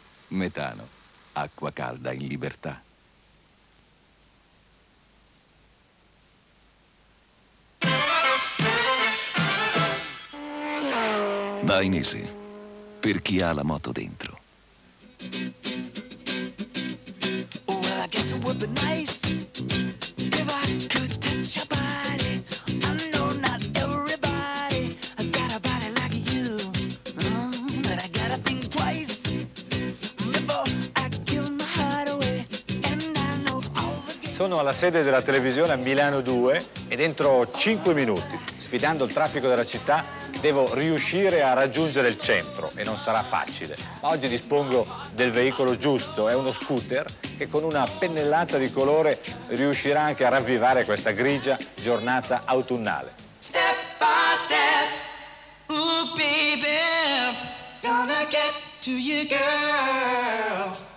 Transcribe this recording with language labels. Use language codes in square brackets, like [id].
[it] Metano, acqua calda in libertà. Va in Easy, per chi ha la moto dentro. [en] Well, I guess it would be nice if I could touch your body. I know not everybody has got a body like you, but I gotta think twice before I give my heart away. And I know all the games. [it] Sono alla sede della televisione a Milano 2 e dentro 5 minuti, sfidando il traffico della città, devo riuscire a raggiungere il centro e non sarà facile. Ma oggi dispongo del veicolo giusto, è uno scooter che con una pennellata di colore riuscirà anche a ravvivare questa grigia giornata autunnale. [en] Step by step, ooh baby, gonna get to you girl.